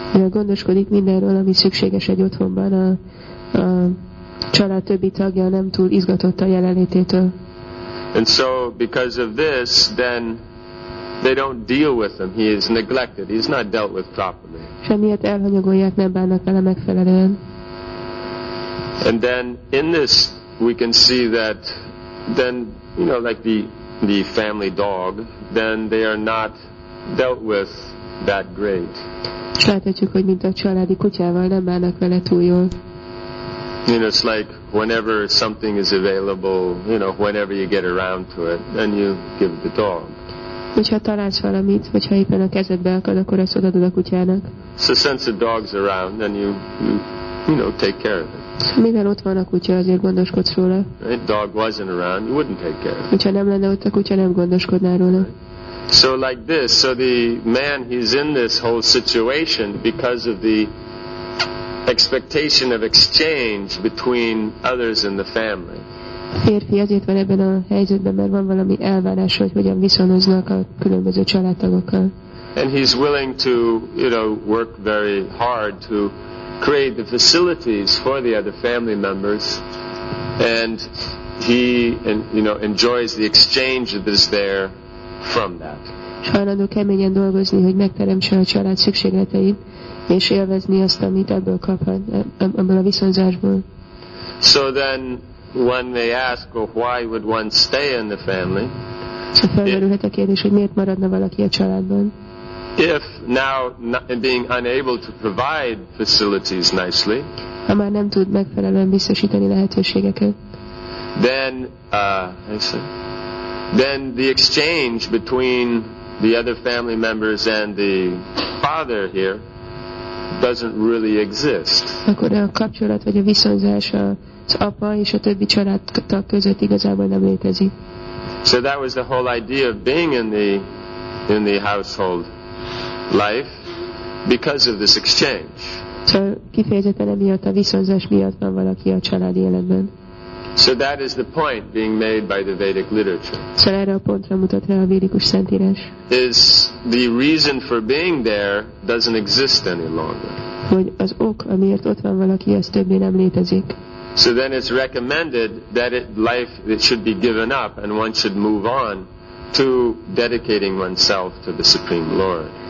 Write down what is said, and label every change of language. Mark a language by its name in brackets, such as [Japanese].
[Hungarian] Gondoskodik mindenről, ami szükséges egy otthonban, a család többi tagja nem túl izgatott a jelenlététől. [English] And so because of this, then they don't deal with him. He is neglected. He's not dealt with properly. [Hungarian] Semmiért elhanyagolják, nem bánnak vele megfelelően. [English] And then in this we can see that then, you know, like the family dog, then they are not dealt with that great. [Hungarian] És láthatjuk, hogy mint a családi kutyával nem bánnak vele túl jól. [English] You know, it's like whenever something is available, you know, whenever you get around to it, then you give the dog. [Hungarian] Hogyha találsz valamit, hogyha éppen a kezedbe akad, akkor azt odaadod a kutyának. [English] So since the dog's around, then you know, take care of it. [Hungarian] Mivel ott van a kutya, azért gondoskodsz róla. [English] If the dog wasn't around, you wouldn't take care of it. [Hungarian] Hogyha nem lenne ott a kutya, nem gondoskodnál róla. [English] So like this, so the man, he's in this whole situation because of the expectation of exchange between others in the family. [Hungarian] Férfi azért van ebben a helyzetben, mert van valami elvárás, hogy hogyan viszonoznak a különböző családtagokkal. [English] And he's willing to, you know, work very hard to create the facilities for the other family members, and he, and you know, enjoys the exchange that is there from that. [Hungarian] Hajlandó keményen dolgozni, hogy megteremtse a család szükségleteit, és élvezni azt, amit ebből kaphat, ebből a viszonzásból. [English] So then one may ask, well, why would one stay in the family? [Hungarian] So felmerülhet a kérdés, hogy miért maradna valaki a családban? [English] If now being unable to provide facilities nicely, [Hungarian] ha már nem tud megfelelően biztosítani lehetőségeket, [English] then the exchange between the other family members and the father here doesn't really exist. [Hungarian] Akkor a kapcsolat vagy a viszonzás az apa és a többi családtag között igazából nem létezik. [English] So that was the whole idea of being in the household life because of this exchange. [Hungarian] Szóval kifejezetten emiatt, a viszonzás miatt van valaki a családi életben. [English] So that is the point being made by the Vedic literature. [Hungarian] Szóval erre a pontra mutat rá a védikus szentírás. [English] Is the reason for being there doesn't exist any longer. [Hungarian] Hogy az ok, amiért ott van valaki, az többé nem létezik. [English] So then it's recommended that life should be given up and one should move on to dedicating oneself to the Supreme Lord.